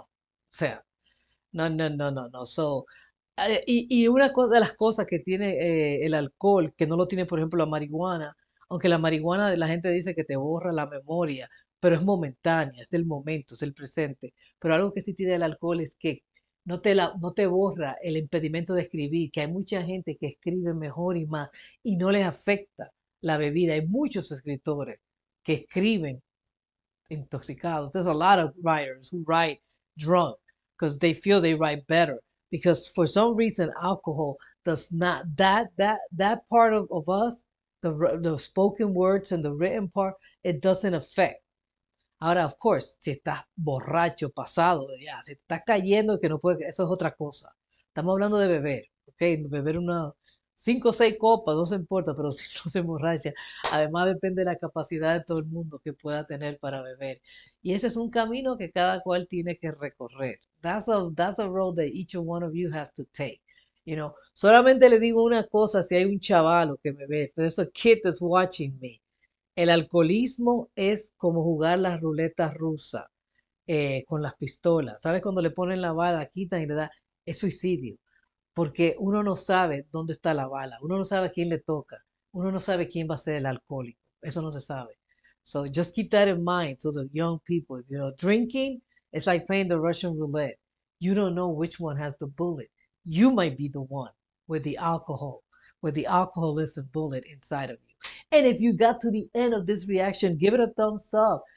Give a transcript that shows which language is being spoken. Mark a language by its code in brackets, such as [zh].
[es] O sea, no. So, y una de las cosas que tiene el alcohol, que no lo tiene, por ejemplo, la marihuana, aunque la marihuana la gente dice que te borra la memoria, pero es momentánea, es del momento, es el presente. Pero algo que sí tiene el alcohol es que no te borra el impedimento de escribir, que hay mucha gente que escribe mejor y más y no les afecta la bebida. Hay muchos escritores que escriben intoxicados. [en] There's a lot of writers who write drunk because they feel they write better. Because for some reason, alcohol does not, that part of us, the spoken words and the written part, it doesn't affect. [es] Ahora, of course, si estás borracho, pasado, ya, si te estás cayendo, que no puedes, eso es otra cosa. Estamos hablando de beber, ¿ok? Beber una 5 o 6 copas, no se importa, pero si no se emborracha. Además, depende de la capacidad de todo el mundo que pueda tener para beber. Y ese es un camino que cada cual tiene que recorrer. [en] That's a road that each one of you has to take, you know. [es] Solamente le digo una cosa, si hay un chavalo que me ve, [en] there's a kid that's watching me. [es] El alcoholismo es como jugar la ruleta rusa con las pistolas. ¿Sabes? Cuando le ponen la bala, quitan y le da, es suicidio. Porque uno no sabe dónde está la bala, uno no sabe a quién le toca, uno no sabe quién va a ser el alcohólico. Eso no se sabe. [en] So just keep that in mind to the young people. If you're drinking, it's like playing the Russian roulette. You don't know which one has the bullet. You might be the one with the alcohol, with the alcoholism bullet inside of you. And if you got to the end of this reaction, give it a thumbs up.